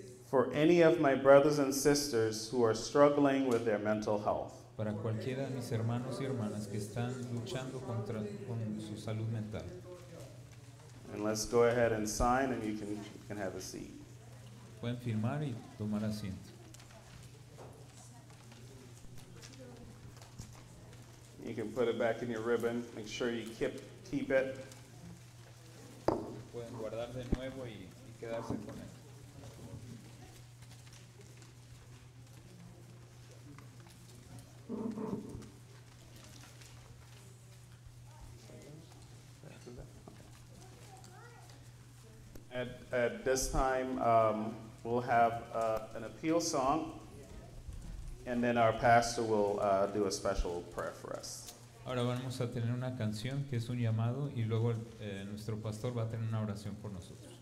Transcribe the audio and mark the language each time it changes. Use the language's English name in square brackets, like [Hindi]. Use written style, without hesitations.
[English] For any of my brothers and sisters who are struggling with their mental health. [Spanish] Para cualquiera de mis hermanos y hermanas que están luchando contra con su salud mental. [English] And let's go ahead and sign, and you can have a seat. [Spanish] Pueden firmar y tomar asiento. [English] You can put it back in your ribbon. Make sure you keep it. [Spanish] Pueden guardar de nuevo y quedarse con él. [English] At this time, we'll have an appeal song, and then our pastor will do a special prayer for us. [Spanish] Ahora vamos a tener una canción que es un llamado, y luego nuestro pastor va a tener una oración por nosotros.